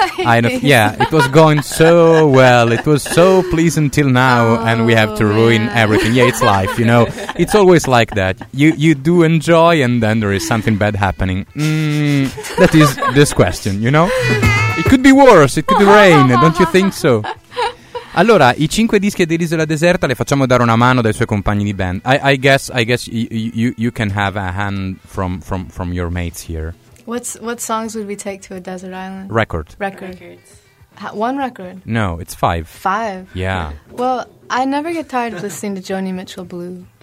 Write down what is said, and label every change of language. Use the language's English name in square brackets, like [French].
[English] I don't, yeah, it was going so well, it was so pleasant till now, and we have to ruin everything. Yeah, it's life, you know, it's always like that. You do enjoy and then there is something bad happening. That is this question, you know? It could be worse, it could rain, don't you think so? [Italian] Allora, i cinque dischi dell'isola deserta le facciamo dare una mano dai suoi compagni di band. [English] I guess you can have a hand from your mates here. What songs would we take to a desert island? Records. One record? No, it's five. Five? Yeah. Well, I never get tired of listening to Joni Mitchell Blue.